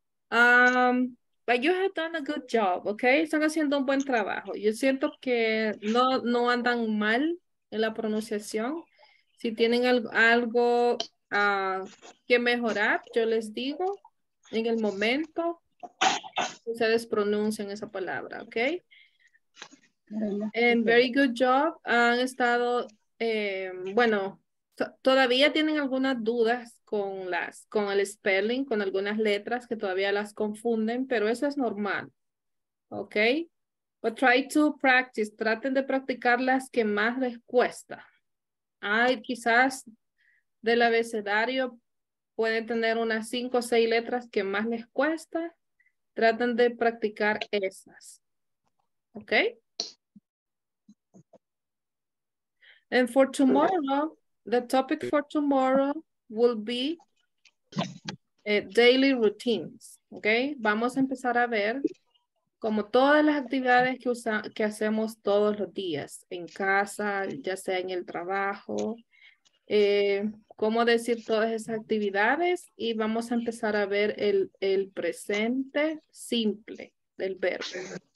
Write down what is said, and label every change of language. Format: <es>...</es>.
<en>But you have done a good job, okay?</en> <es>Están haciendo un buen trabajo. Yo siento que no andan mal en la pronunciación. Si tienen algo que mejorar, yo les digo en el momento ustedes pronuncian esa palabra, ok.</es> <en>And very good job.</en> <es>Han estado, bueno, todavía tienen algunas dudas con el spelling, con algunas letras que todavía las confunden, pero eso es normal, ok.</es> <en>But try to practice,</en> <es>traten de practicar las que más les cuesta. Ay, quizás del abecedario pueden tener unas 5 o 6 letras que más les cuesta. Traten de practicar esas. ¿Ok?</es> <en>And for tomorrow, the topic for tomorrow will be daily routines. ¿Ok?</en> <es>Vamos a empezar a ver como todas las actividades que hacemos todos los días en casa, ya sea en el trabajo, cómo decir todas esas actividades, y vamos a empezar a ver el presente simple del verbo.</es>